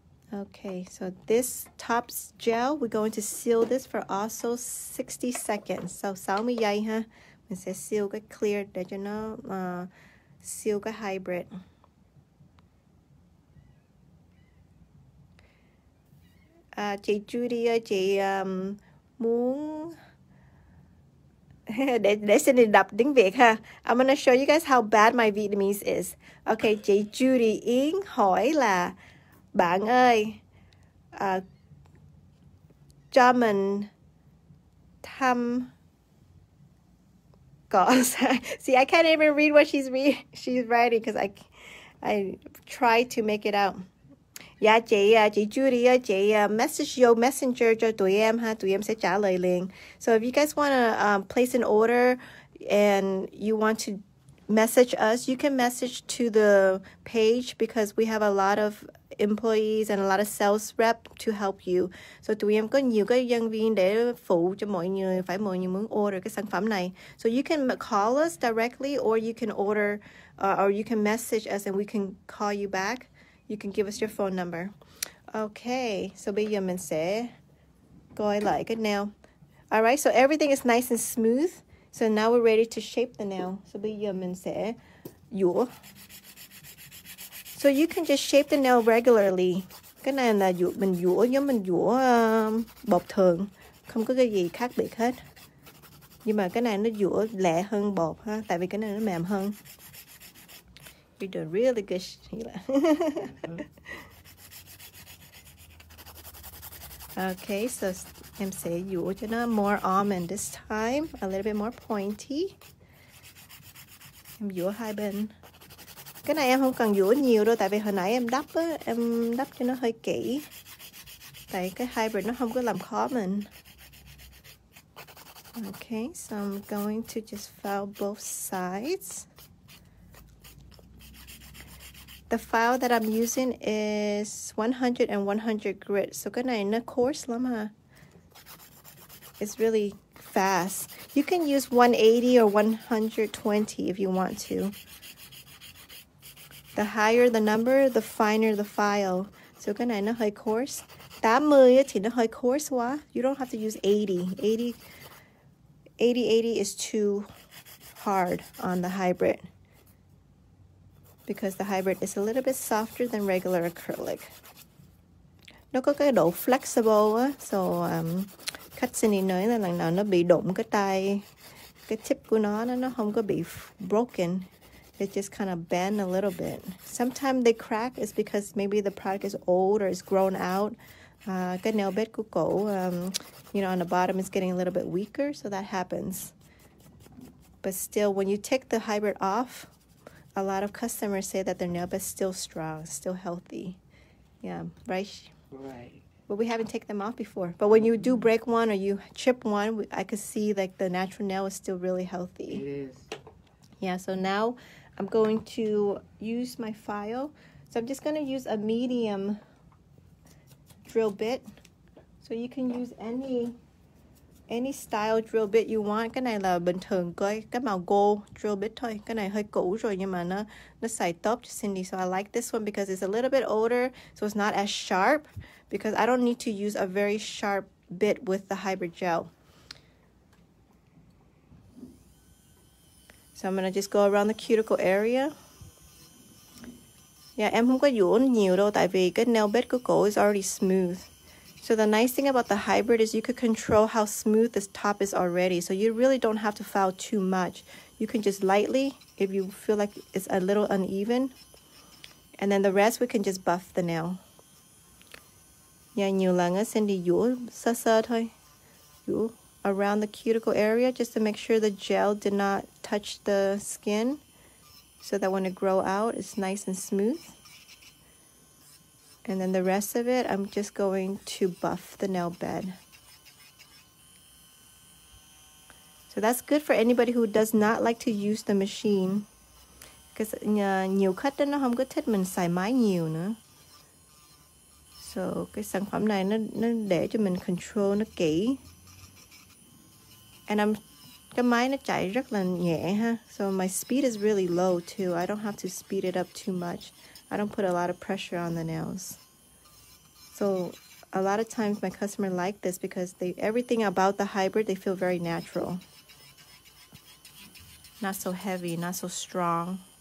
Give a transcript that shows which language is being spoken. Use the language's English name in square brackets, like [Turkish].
[English] Okay, so this top gel, we're going to seal this for also 60 seconds. [Vietnamese] So 60 giây ha. Mình sẽ seal cái clear, để cho nó seal cái hybrid. Chị Judy ơi, chị muốn... để xin đi đọc tiếng Việt ha. [English] I'm gonna show you guys how bad my Vietnamese is. [Vietnamese] Okay, chị Judy Yến hỏi là bạn ơi, cho mình thăm cỏ. [English] See, I can't even read what she's writing because I try to make it out. [Vietnamese] Yeah, chị Judy ơi, chị [English] message your messenger [Vietnamese] cho tụi em ha, tụi em sẽ trả lời liền. [English] So if you guys want to place an order and you want to message us, you can message to the page because we have a lot of employees and a lot of sales rep to help you. [Vietnamese] So tụi em có nhiều cái nhân viên để phụ cho mọi người, phải mọi người muốn order cái sản phẩm này. [English] So you can call us directly or you can order or you can message us and we can call you back. You can give us your phone number. [Vietnamese] Okay, so bây giờ mình sẽ coi lại cái nail. [English] Alright, so everything is nice and smooth. So now we're ready to shape the nail. [Vietnamese] So bây giờ mình sẽ dũa. [English] So you can just shape the nail regularly. [Vietnamese] Cái này là mình dũa giống mình dũa bột thường. Không có cái gì khác biệt hết. Nhưng mà cái này nó dũa lẹ hơn bột ha. Tại vì cái này nó mềm hơn. [English] You're doing really good, [Vietnamese] Sheila. [English] Okay, so [Vietnamese] em sẽ dũa cho nó [English] more almond this time, a little bit more pointy. [Vietnamese] Em dũa hai bên. Cái này em không cần dũa nhiều đâu, tại vì hồi nãy em đắp á, em đắp cho nó hơi kỹ. Tại cái hybrid nó không có làm khó mình. [English] Okay, so I'm going to just file both sides. The file that I'm using is 100 and 100 grit. [Vietnamese] So cái này nó coarse lắm ha. [English] It's really fast. You can use 180 or 120 if you want to. The higher the number, the finer the file. [Vietnamese] So cái này nó hơi coarse. 80 thì nó hơi coarse quá. [English] You don't have to use 80. 80 is too hard on the hybrid. Because the hybrid is a little bit softer than regular acrylic. [Vietnamese] nó có cái độ flexible á, so khách xin ý nói là lần nào nó bị đụng cái tay, cái tip của nó không có bị broken. [English] It just kind of bend a little bit. Sometimes they crack is because maybe the product is old or is grown out. [Vietnamese] Cái nail bed của cổ, [English] you know, on the bottom is getting a little bit weaker, so that happens. But still, when you take the hybrid off, a lot of customers say that their nail bed is still strong, still healthy. Yeah, right? Right. But we haven't taken them off before. But when you do break one or you chip one, I could see like the natural nail is still really healthy. It is. Yeah, so now I'm going to use my file. So I'm just going to use a medium drill bit. So you can use any style drill bit you want. [Vietnamese] Cái này là bình thường cái màu gold drill bit thôi. Cái này hơi cũ rồi nhưng mà nó xài top cho Cindy. [English] So I like this one because it's a little bit older, so it's not as sharp. Because I don't need to use a very sharp bit with the hybrid gel. So I'm going to just go around the cuticle area. [Vietnamese] Yeah, em không có dũa nhiều đâu tại vì cái nail bed của cô [English] is already smooth. So the nice thing about the hybrid is you could control how smooth this top is already. So you really don't have to file too much. You can just lightly, if you feel like it's a little uneven. And then the rest, we can just buff the nail. [Vietnamese] Yeah, nhiều lần á, Cindy dũa sơ sơ thôi. [English] Dũa around the cuticle area just to make sure the gel did not touch the skin. So that when it grow out, it's nice and smooth. And then the rest of it, I'm just going to buff the nail bed. So that's good for anybody who does not like to use the machine. [Vietnamese] Because nhiều khách nó không có thích mình xài máy nhiều nữa. So cái sản phẩm này nó để cho mình control nó kỹ. [English] And I'm, [Vietnamese] cái máy nó chạy rất là nhẹ ha. [English] So my speed is really low too. I don't have to speed it up too much. I don't put a lot of pressure on the nails. So a lot of times my customer like this because they everything about the hybrid, they feel very natural. Not so heavy, not so strong.